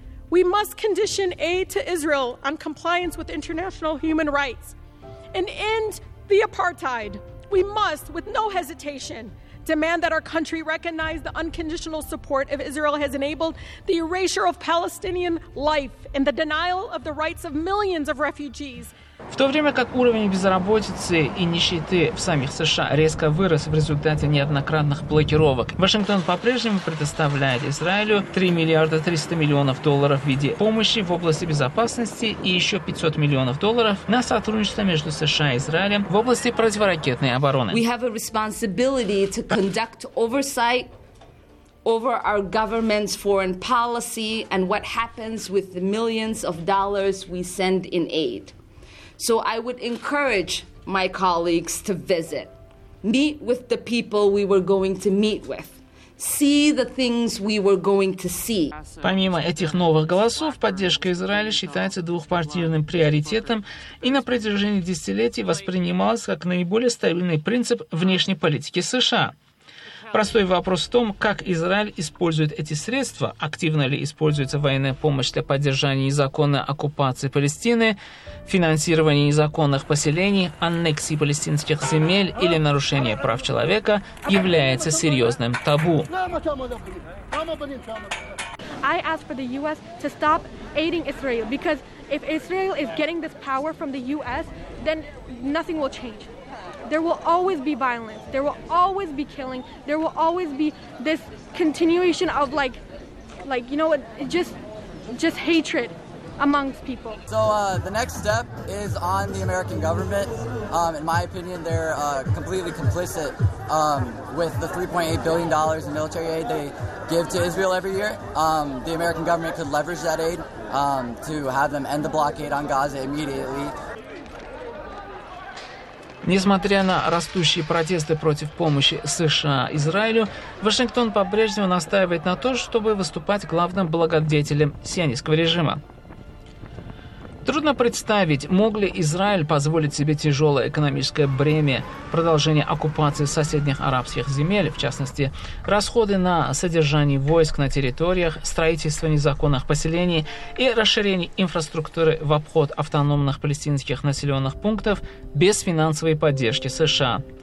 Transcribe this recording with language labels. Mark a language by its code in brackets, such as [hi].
[en] We must condition aid to Israel on compliance with international human rights and end the apartheid. We must, with no hesitation, demand that our country recognize the unconditional support of Israel has enabled the erasure of Palestinian life and the denial of the rights of millions of refugees. [ru] В то время как уровень безработицы и нищеты в самих США резко вырос в результате неоднократных блокировок, Вашингтон по-прежнему предоставляет Израилю $3.3 млрд. в виде помощи в области безопасности и еще $500 млн на сотрудничество между США и Израилем в области противоракетной обороны. [en] We have a responsibility to conduct oversight over our government's foreign policy and what happens with the millions of dollars we send in aid. So I would encourage my colleagues to visit, meet with the people we were going to meet with, see the things we were going to see. [ru] Помимо этих новых голосов, поддержка Израиля считается двухпартийным приоритетом и на протяжении десятилетий воспринималась как наиболее стабильный принцип внешней политики США. Простой вопрос в том, как Израиль использует эти средства, активно ли используется военная помощь для поддержания незаконной оккупации Палестины, финансирования незаконных поселений, аннексии палестинских земель или нарушения прав человека, является серьезным табу. [en] I ask for the US to stop aiding Israel, because if Israel is getting this power from the US, then nothing will change. There will always be violence, there will always be killing, there will always be this continuation of like you know what, just hatred amongst people. So the next step is on the American government. In my opinion, they're completely complicit with the $3.8 billion in military aid they give to Israel every year. The American government could leverage that aid to have them end the blockade on Gaza immediately. [ru] Несмотря на растущие протесты против помощи США Израилю, Вашингтон по-прежнему настаивает на то, чтобы выступать главным благодетелем сионистского режима. Трудно представить, мог ли Израиль позволить себе тяжелое экономическое бремя продолжения оккупации соседних арабских земель, в частности, расходы на содержание войск на территориях, строительство незаконных поселений и расширение инфраструктуры в обход автономных палестинских населенных пунктов без финансовой поддержки США.